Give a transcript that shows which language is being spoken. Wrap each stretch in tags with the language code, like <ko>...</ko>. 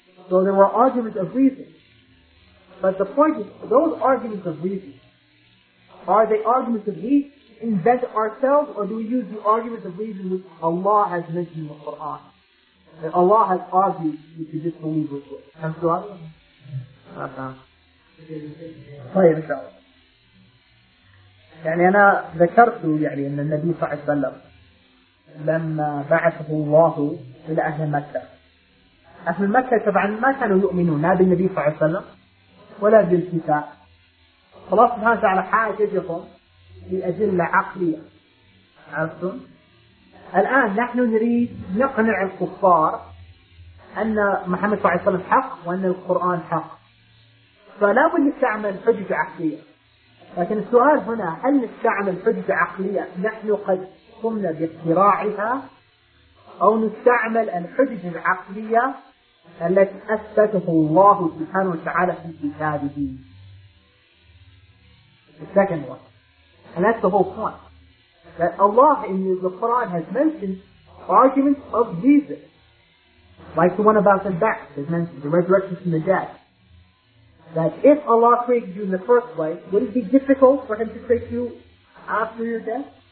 <en>So there were arguments of reason. But the point is, those arguments of reason, are they arguments that we invent ourselves, or do we use the arguments of reason which Allah has mentioned in the Quran? That Allah has argued with the disbelievers with. And so on.</en> <ar>طيب إن شاء الله. يعني أنا ذكرت يعني أن النبي صلى الله عليه وسلم لما بعثه الله إلى أهل مكة. أهل مكة طبعا ما كانوا يؤمنون لا بالنبي صلى الله عليه وسلم ولا بالكتاب. الله سبحانه وتعالى حاججهم بأدلة عقلية. عرفتم؟ الآن نحن نريد نقنع الكفار أن محمد صلى الله عليه وسلم حق وأن القرآن حق. فلا بد نستعمل حجج عقلية. لكن السؤال هنا، هل نستعمل حجج عقلية نحن قد قمنا باختراعها، أو نستعمل الحجج العقلية التي أثبته الله سبحانه وتعالى في كتابه؟</ar> <en>The second one. And that's the whole point. That Allah in the Quran has mentioned arguments of Jesus. Like the one about the ba'th, it mentioned the resurrection from the dead. That if Allah created you in the first place, would it be difficult for Him to create you after your death?</en>